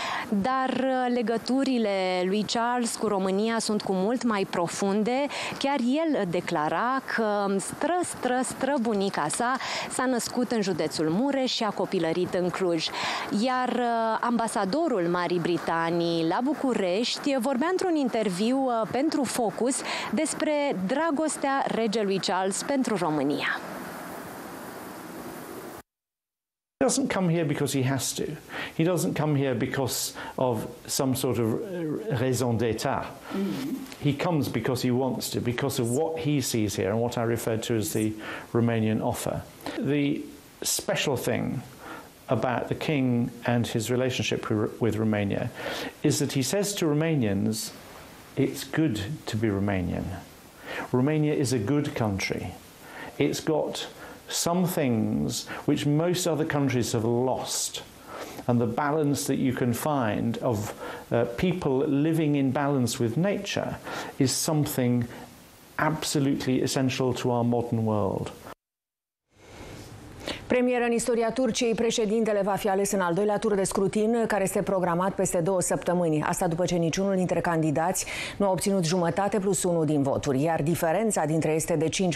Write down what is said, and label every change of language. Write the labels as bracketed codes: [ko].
[ro] Dar legăturile lui Charles cu România sunt cu mult mai profunde, chiar el declara că străbunica sa s-a născut în județul Mureș și a copilărit în Cluj. Iar ambasadorul Marii Britanii la București vorbea într-un interviu pentru Focus despre dragostea regelui Charles pentru România. [en] He doesn't come here because he has to. He doesn't come here because of some sort of raison d'état. He comes because he wants to, because of what he sees here and what I referred to as the Romanian offer. The special thing about the king and his relationship with Romania is that he says to Romanians, it's good to be Romanian. Romania is a good country. It's got some things which most other countries have lost, and the balance that you can find of people living in balance with nature is something absolutely essential to our modern world. [ro] Premieră în istoria Turciei, președintele va fi ales în al doilea tur de scrutin, care este programat peste două săptămâni. Asta după ce niciunul dintre candidați nu a obținut jumătate plus unul din voturi, iar diferența dintre este de 5%.